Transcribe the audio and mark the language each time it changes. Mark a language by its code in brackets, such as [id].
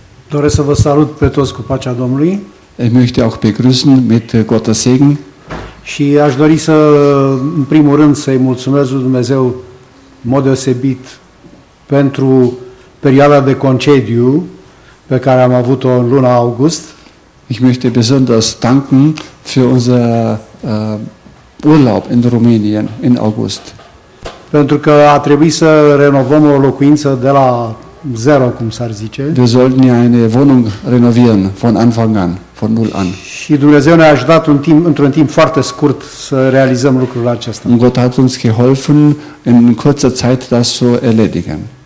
[ro] Doresc să vă salut pe toți cu pacea Domnului. [de] Ich möchte auch begrüßen mit Gottes Segen. [ro] Și aș dori să, în primul rând, să-i mulțumesc lui Dumnezeu în mod deosebit pentru perioada de concediu pe care am avut-o în luna august. [de] Ich möchte besonders danken für unser Urlaub in Rumänien in August. [ro] Pentru că a trebuit să renovăm o locuință de la zero, cum s-ar zice. [de] Wir sollten ja eine Wohnung renovieren von Anfang an. Von null an. [ro] Și Dumnezeu ne-a ajutat un timp, într-un timp foarte scurt să realizăm lucrul acesta. [de] Und Gott hat uns geholfen, in kurzer Zeit das zu erledigen.